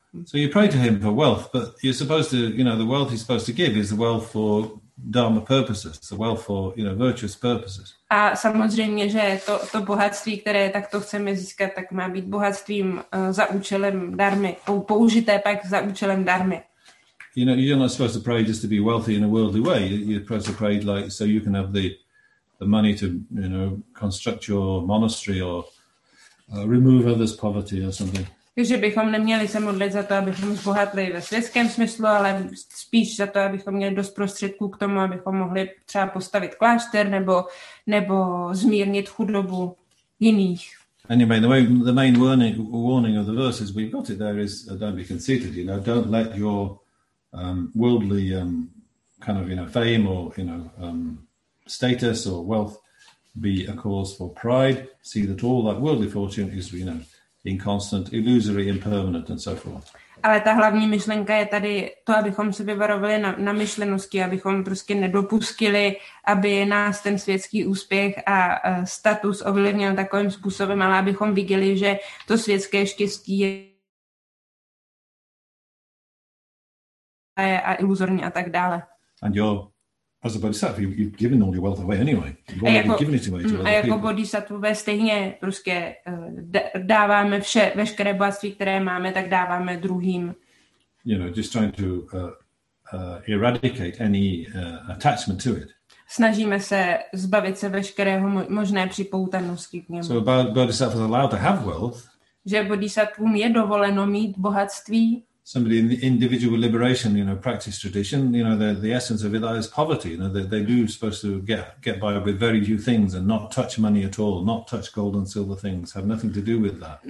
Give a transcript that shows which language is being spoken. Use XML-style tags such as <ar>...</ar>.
<en>So you pray to him for wealth, but you're supposed to, you know, the wealth he's supposed to give is the wealth for dharma purposes, the wealth for, you know, virtuous purposes.</en> <cs>A samozřejmě, že to bohatství, které takto chceme získat, tak má být bohatstvím za účelem dharmy, použité pak za účelem dharmy.</cs> <en>You know, you're not supposed to pray just to be wealthy in a worldly way. You're supposed to pray like so you can have the money to, you know, construct your monastery or remove others' poverty or something.</en> <cs>Takže bychom neměli se modlit za to, abychom zbohatli ve světském smyslu, ale spíš za to, abychom měli dost prostředků k tomu, abychom mohli třeba postavit klášter nebo zmírnit chudobu jiných.</cs> <en>Anyway, the main warning of the verses we've got it there is don't be conceited, you know, don't let your worldly kind of, you know, fame or, you know, status or wealth be a cause for pride. See that all that worldly fortune is, you know, inconstant, illusory, impermanent, and so forth.</en> <cs>Ale ta hlavní myšlenka je tady to, abychom se vyvarovali na myšlenosti, abychom prostě nedopustili, aby nás ten světský úspěch a status ovlivnil takovým způsobem, ale abychom viděli, že to světské štěstí je a iluzorní a tak dále.</cs> <en>And as a bodhisattva, you've given all your wealth away anyway. You've already given it away to other people.</en> <cs>A jako bodhisattva stejně prostě dáváme vše, veškeré bohatství, které máme, tak dáváme druhým.</cs> <en>You know, just trying to eradicate any attachment to it.</en> <cs>Snažíme se zbavit se veškerého možné připoutanosti k němu.</cs> <en>So a bodhisattva is allowed to have wealth.</en> <cs>Že bodhisattvům je dovoleno mít bohatství.</cs> <en>Somebody in the individual liberation, you know, practice tradition, you know, the essence of it is poverty. You know, they do supposed to get by with very few things and not touch money at all, not touch gold and silver things, have nothing to do with that.</en>